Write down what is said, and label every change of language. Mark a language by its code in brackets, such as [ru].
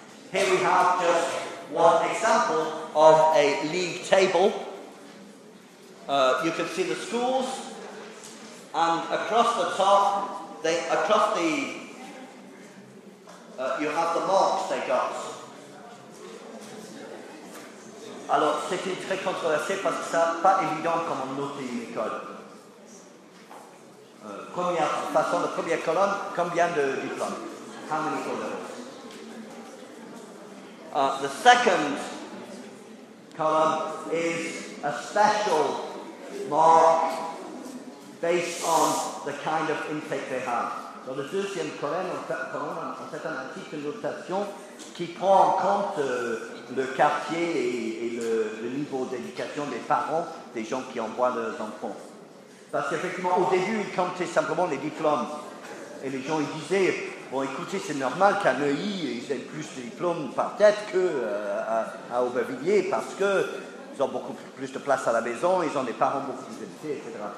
[en] Here we have just one example of a league table. You can see the schools, and across the top, you have the marks they got. [fr] Alors, c'était très controversé parce que ça pas évident comment noter une école. La première colonne, combien de diplômes? [en] How many orders? The second column is a special mark based on the kind of intake they have. [fr] Dans la deuxième colonne, on fait un article de notation qui prend en compte le quartier et le niveau d'éducation des parents, des gens qui envoient leurs enfants. Parce qu'effectivement, au début, ils comptaient simplement les diplômes. Et les gens, ils disaient, bon, écoutez, c'est normal qu'à Neuilly, ils aient plus de diplômes par tête qu'à Aubervilliers, parce qu'ils ont beaucoup plus de place à la maison, ils ont des parents beaucoup plus élevés, etc.